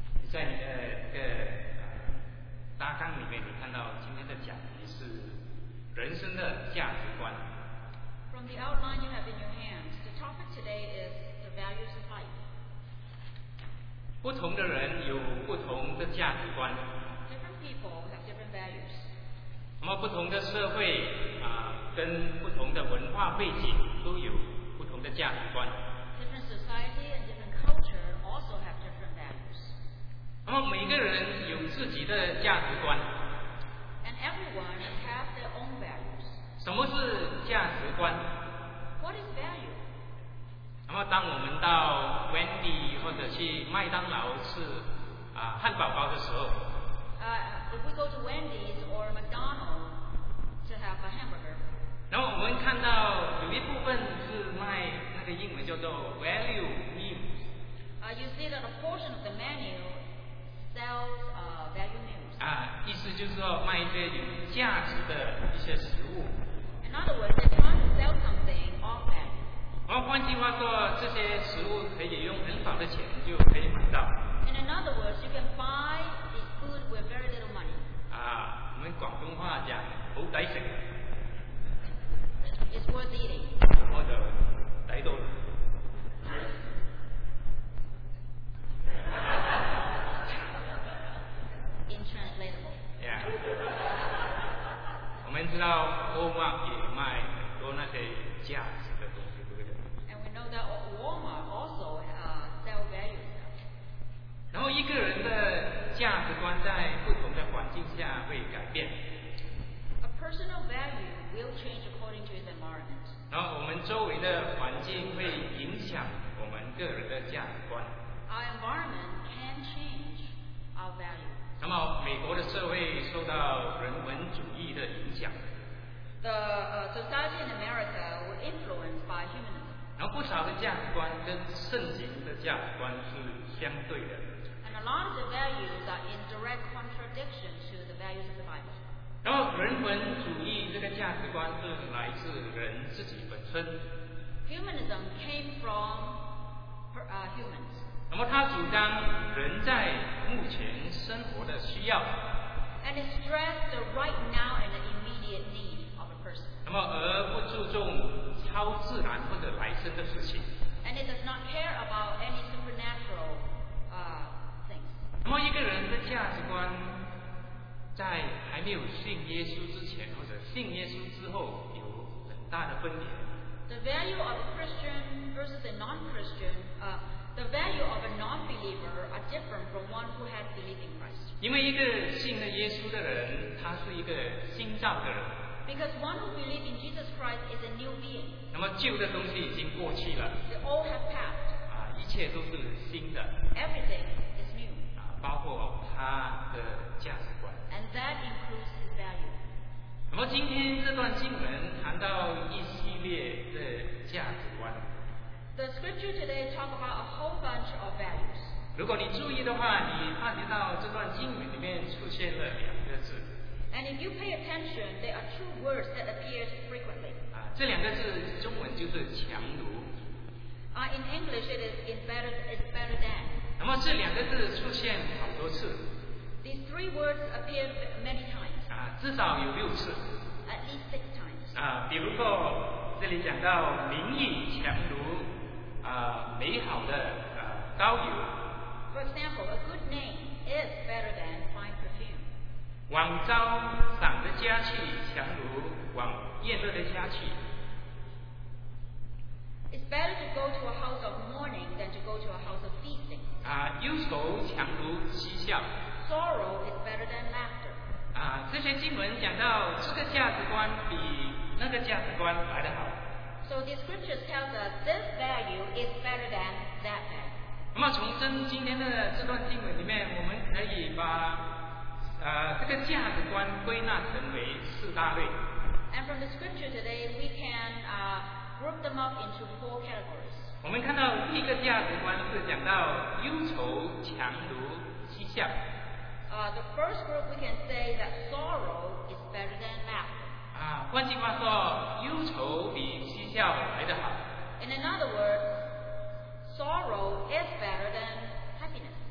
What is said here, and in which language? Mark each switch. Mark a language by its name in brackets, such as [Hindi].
[Chinese] 在你的个大纲里面，你看到今天的讲题是人生的价值观。 [English] From the outline you have in your hands, the topic today is the values of life. [Chinese] 不同的人有不同的价值观。 [English] Different people have different values. [Chinese] 那么不同的社会跟不同的文化背景都有不同的价值观。 [English] Different society and different culture also have different values. [Chinese] 那么每个人有自己的价值观。 [English] And everyone have their own values. [Chinese] 什么是价值观？ [English] What is value? [Chinese] 那么当我们到 Wendy 或者去麦当劳吃汉堡包的时候， [English] If we go to Wendy's or McDonald's to have a hamburger, [Chinese] 那么我们看到有一部分是卖那个英文叫做 value meals. [English] You see that a portion of the menu sells value meals. [Chinese] 意思就是说卖一些有价值的一些食物。 [English] In other words, they're trying to sell something off value. [Chinese] 换句话说，这些食物可以用很少的钱就可以买到。 [English] And in other words, you can buy this food with very little money. [Chinese] 我们广东话讲好抵食。 [English] It's worth eating. [Chinese] 或者抵到。 [English] Intranslatable. Yeah. [Chinese] 我们知道 Walmart 也卖很多那些价值的东西，对不对？ [English] And we know that Walmart also sell value stuff. [Chinese] 然后一个人的价值观在不同的环境下会改变。 [English] A personal value will change according to his environment. [Chinese] 然后我们周围的环境会影响我们个人的价值观。 [English] Our environment can change our value. [Chinese] 那么美国的社会受到人文主义的影响。 [English] The society in America was influenced by humanism. [Chinese] 然而不少的价值观跟圣经的价值观是相对的。 [English] And a lot of the values are in direct contradiction to the values of the Bible. [Chinese] 然后人文主义这个价值观是来自人自己本身。 [English] Humanism came from humans. [Chinese] 那么它主张人在目前生活的需要。 [English] And it stressed the right now and the immediate need of a person. [Chinese] 那么而不注重超自然或者来生的事情。 [English] And it does not care about any supernatural things. [Chinese] 那么一个人的价值观在还没有信耶稣之前或者信耶稣之后有很大的分别。 [English] The value of a Christian versus a non-Christian, the value of a non-believer are different from one who has believed in Christ. [Chinese] 因为一个信了耶稣的人，他是一个新造的人。 [English] Because one who believes in Jesus Christ is a new being. [Chinese] 那么旧的东西已经过去了。 [English] They all have passed. [Chinese] 啊，一切都是新的。 [English] Everything is new. [Chinese] 啊，包括他的价值观。 [English] And that includes his value. [Chinese] 那么今天这段经文谈到一系列的价值观。 [English] The scripture today talk about a whole bunch of values. [Chinese] 如果你注意的话，你发觉到这段经文里面出现了两个字。 [English] And if you pay attention, there are two words that appear frequently. [Chinese] 啊，这两个字中文就是强如。 [English] In English, it is better than. [Chinese] 那么这两个字出现好多次。 [English] These three words appear many times. [Chinese] 啊，至少有六次。 [English] At least six times. [Chinese] 啊，比如说这里讲到名誉强如，啊，美好的高油。 [English] For example, a good name is better than fine perfume. [Chinese] 往招赏的佳器强如往宴乐的佳器。 [English] It's better to go to a house of mourning than to go to a house of feasting. [Chinese] 啊，忧愁强如嬉笑。 [English] Sorrow is better than laughter. [Chinese] 啊，这些经文讲到这个价值观比那个价值观来得好。 [English] So the scriptures tell us this value is better than that value. [Chinese] 那么从今天的这段经文里面，我们可以把这个价值观归纳成为四大类。 [English] And from the scripture today, we can group them up into four categories. [Chinese] 我们看到第一个价值观是讲到忧愁强如嬉笑。 [English] The first group we can say that sorrow is better than laughter. [Chinese] 啊，换句话说，忧愁比嬉笑来得好。 [English] In another word, sorrow is better than happiness.